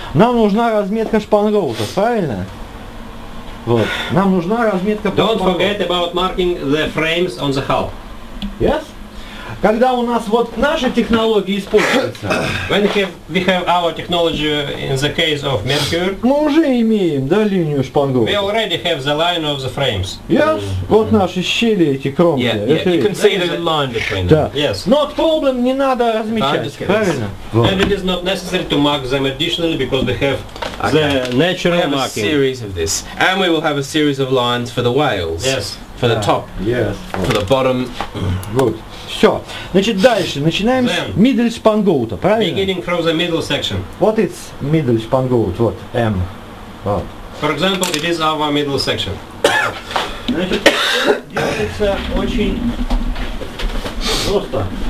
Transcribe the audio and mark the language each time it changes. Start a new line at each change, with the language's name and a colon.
Russian: Нам нужна разметка шпангоута, правильно? Вот. Нам нужна разметка.
English: Don't forget about marking the frames on the hull. Yes?
Russian: Когда у нас вот наша технология используется.
English: When we have our technology in the case of Mercury.
Russian: Мы уже имеем, да, линию шпангоута.
English: We already have the line of the frames. Yes?
Russian: Вот наши щели эти кромки.
English: Yeah, yeah. You can see the line between them.
Russian: Да.
English: Yes. Not problem,
Russian: не надо размечать, правильно?
English: And it is not necessary to mark them additionally because we have the natural marking. We have a series of this. And we will have a series of lines for the whales. Yes. For the top. Yes. For the bottom. Good.
Russian: Все. Значит, дальше начинаем с middle шпангоута, правильно?
English: Beginning from the middle section. What is middle шпангоут? What? M. What? For example, it is our middle section.
Russian: Значит, делается очень просто.